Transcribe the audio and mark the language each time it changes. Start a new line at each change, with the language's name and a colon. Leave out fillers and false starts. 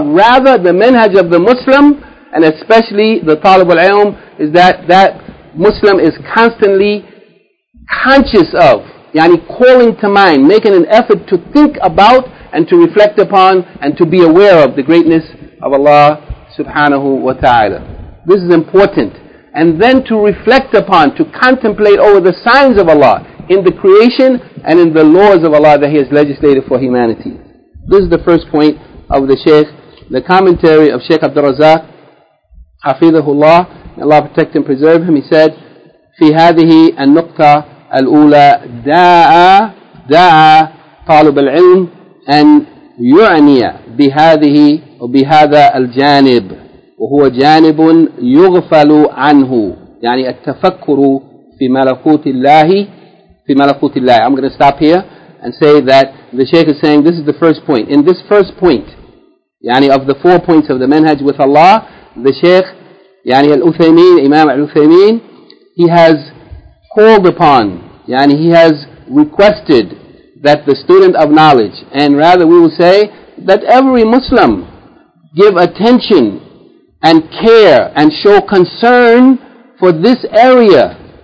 English: Rather, the manhaj of the Muslim, and especially the talib al-ilm, is that that Muslim is constantly conscious of, yani calling to mind, making an effort to think about and to reflect upon and to be aware of the greatness of Allah subhanahu wa ta'ala. This is important. And then to reflect upon, to contemplate over the signs of Allah in the creation and in the laws of Allah that He has legislated for humanity. This is the first point of the Shaykh, the commentary of Shaykh Abdul Razak, Hafidhahullah, Allah protect and preserve him. He said,
Arabic: "في هذه النقطة الأولى دعا دعا طالب العلم أن يعني بهذه وبهذا الجانب وهو جانب يغفل عنه يعني التفكر في ملكوت الله في ملكوت الله."
English: I'm going to stop here and say that the Shaykh is saying this is the first point. In this first point, يعني of the four points of the manhaj with Allah, the Shaykh, يعني الأثيمين, Imam Al-Uthaymeen, he has called upon, يعني he has requested that the student of knowledge, and rather we will say that every Muslim give attention and care and show concern for this area.